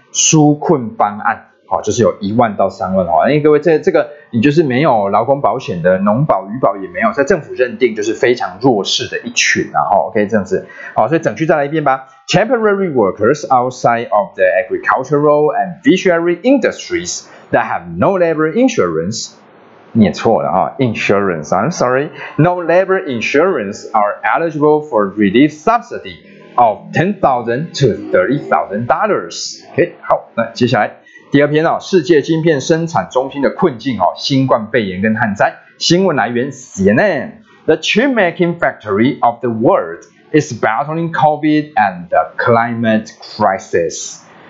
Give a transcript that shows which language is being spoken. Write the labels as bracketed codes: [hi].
[zh] 纾困方案，就是有10,000到30,000，因为各位这个你就是没有劳工保险的，农保渔保也没有，在政府认定就是非常弱势的一群，然后 OK 这样子。好，所以整句再来一遍吧。 [en] Temporary workers outside of the agricultural and fishery industries that have no labor insurance， [zh] 念错了 [en] insurance， I'm sorry， no labor insurance are eligible for relief subsidyOf $10,000 to $30,000. [zh] OK， 好，那接下来第二篇啊，世界晶片生产中心的困境啊，新冠肺炎跟旱灾。新闻来源 CNN。 [en] The chip making factory of the world is battling COVID and the climate crisis.